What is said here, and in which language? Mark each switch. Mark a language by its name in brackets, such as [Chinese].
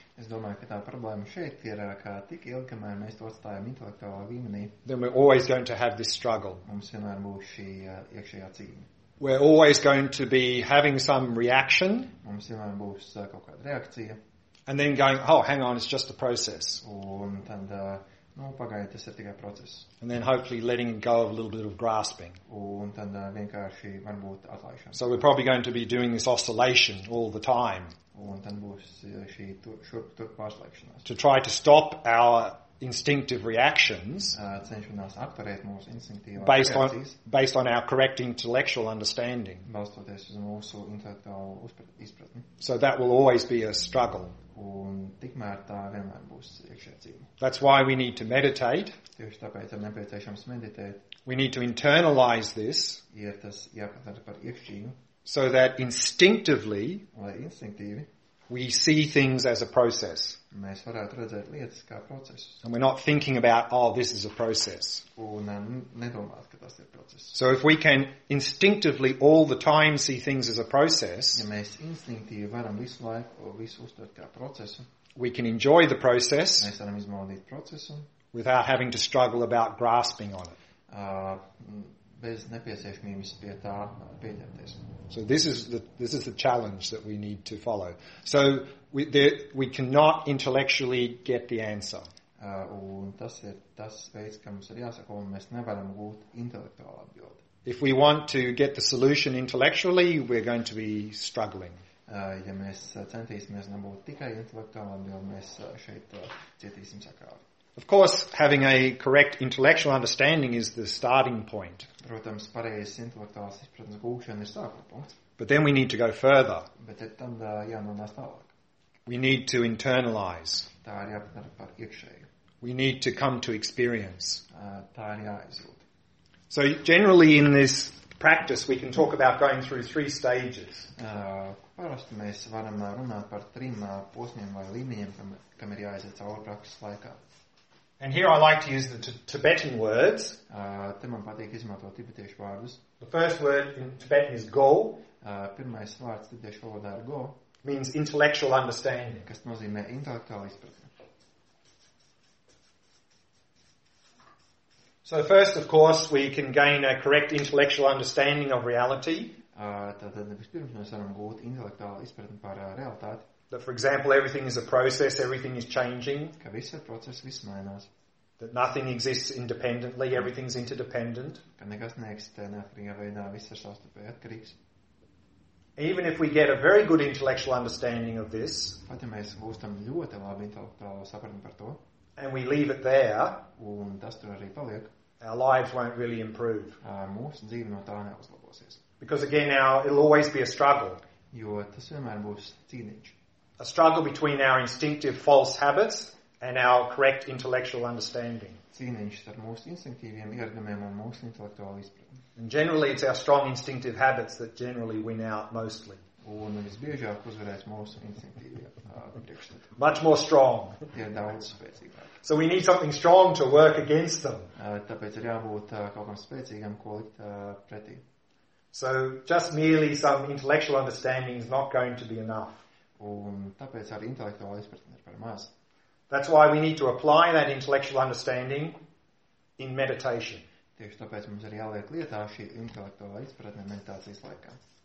[Latvian] Es domāju, ka tā problēma šeit ir, ka tik ilgi, kamēr mēs to atstājam intelektuālā līmenī. [English] Then we're always going to have this struggle. [Latvian] Mums vienmēr būs šī iekšējā cīņa. [English] We're always going to be having some reaction. [Latvian] Mums vienmēr būs kaut kāda reakcija. [English] And then going, oh, hang on, it's just a process. [Latvian] Un tad, nu, pagaidi, tas ir tikai process. [English] And then hopefully letting go of a little bit of grasping. [Latvian] Un tad vienkārši varbūt atlaišana. [English] So we're probably going to be doing this oscillation all the time. [Latvian] Un tad būs šī tur pārslēgšanās. [English] To try to stop our instinctive reactions. [Latvian] Cenšanās apturēt mūsu instinktīvās reakcijas. [English] Based on our correct intellectual understanding. [Latvian] Balstoties uz mūsu intelektuālo izpratni. [English] So that will always be a struggle. [Latvian] Un tikmēr tā vienmēr būs iekšējā cīņa. [English] That's why we need to meditate. [Latvian] Tieši tāpēc ir nepieciešams meditēt. [English] We need to internalize this. [Latvian] Ir tas jāpatara par iekšķīnu. [English] So that instinctively. [Latvian] Lai instinktīvi. [English] We see things as a process. [Latvian] Mēs varētu redzēt lietas kā procesus. [English] And we're not thinking about, oh, this is a process. [Latvian] Un nedomāt, ka tas ir process. [English] So if we can instinctively all the time see things as a process, [Latvian] ja mēs instinktīvi varam visu laiku visu uztvert kā procesu, [English] we can enjoy the process. [Latvian] Mēs varam izbaudīt procesu. [English] Without having to struggle about grasping on it. [Latvian] Bez nepieciešamības pie tā pieķerties. [English] So this is the challenge that we need to follow. So we cannot intellectually get the answer. [Latvian] Un tas ir tas veids, kā mums ir jāsako, un mēs nevaram būt intelektuāli atbildi. [English] If we want to get the solution intellectually, we're going to be struggling. [Latvian] Ja mēs centīsimies nebūt tikai intelektuāli atbildi, mēs šeit cietīsim sakrāvi. [English] Of course, having a correct intellectual understanding is the starting point. [Latvian] Protams, pareizs intelektuāls izpratnes gūšana ir sākuma punkts. [English] But then we need to go further. [Latvian] Bet tad jānonāk tālāk. [English] We need to internalize. [Latvian] Tā ir jāpatara par iekšēju. [English] We need to come to experience. [Latvian] Tā ir jāizjūt. [English] So generally in this practice we can talk about going through three stages. [Latvian] Parasti mēs varam runāt par trim posmiem vai līnijiem, kam ir jāiziet cauri prakses laikā. [English] And here I like to use the Tibetan words. [Latvian] Te man patīk izmantot tibetiešu vārdus. [English] The first word in Tibetan is go. [Latvian] Pirmais vārds tibetiešu valodā ir go. [English] Means intellectual understanding. [Latvian] Kas nozīmē intelektuāli izpratni. [English] So first, of course, we can gain a correct intellectual understanding of reality. [Latvian] Tātad vispirms mēs varam gūt intelektuālu izpratni par realitāti. [English] That, for example, everything is a process, everything is changing. [Latvian] Ka viss ir process, viss mainās. [English] That nothing exists independently, everything's interdependent. [Latvian] Ka nekas neeksistē neatkarīgā veidā, viss ir savstarpēji atkarīgs. [English] Even if we get a very good intellectual understanding of this, [Latvian] pat ja mēs gūstam ļoti labu intelektuālo sapratni par to, [English] and we leave it there, [Latvian] un tas tur arī paliek, [English] our lives won't really improve. [Latvian] Mūsu dzīve no tā neuzlabosies. [English] Because again, now, it'll always be a struggle. [Latvian] Jo tas vienmēr būs cīniņš. [English] A struggle between our instinctive false habits and our correct intellectual understanding. [Latvian] Cīniņš starp mūsu instinktīviem ieradumiem un mūsu intelektuālo izpratni. [English] And generally it's our strong instinctive habits that generally win out mostly. [Latvian] Un visbiežāk uzvarēs mūsu instinktīvie priekšstati. [English] Much more strong. [Latvian] Tie ir daudz spēcīgāk. [English] So we need something strong to work against them. [Latvian] Tāpēc ir jābūt kaut kam spēcīgam, ko likt pretī. [English] So just merely some intellectual understanding is not going to be enough. [Latvian] Un tāpēc arī intelektuāla izpratne ir par maz. [English] That's why we need to apply that intellectual understanding in meditation. [Latvian] Tieši tāpēc mums ir jāliek lietā šī intelektuāla izpratne meditācijas laikā.